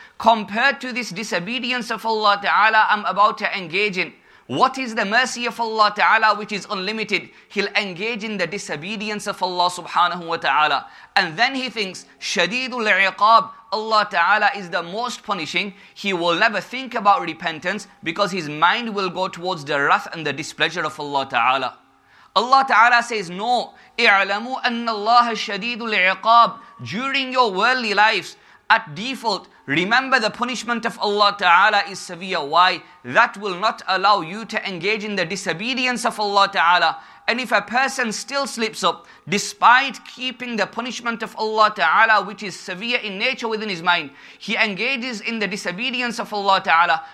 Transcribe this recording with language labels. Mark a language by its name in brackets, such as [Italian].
[English] Compared to this disobedience of Allah Ta'ala I'm about to engage in, what is the mercy of Allah Ta'ala which is unlimited? He'll engage in the disobedience of Allah Subhanahu wa Ta'ala. And then he thinks, Shadidul Iqab, Allah Ta'ala is the most punishing. He will never think about repentance because his mind will go towards the wrath and the displeasure of Allah Ta'ala. Allah Ta'ala says, no, [Arabic] اعلموا أن الله شديد العقاب. [English] During your worldly lives, at default, remember the punishment of Allah Ta'ala is severe. Why? That will not allow you to engage in the disobedience of Allah Ta'ala. And if a person still slips up, despite keeping the punishment of Allah Ta'ala, which is severe in nature within his mind, he engages in the disobedience of Allah Ta'ala.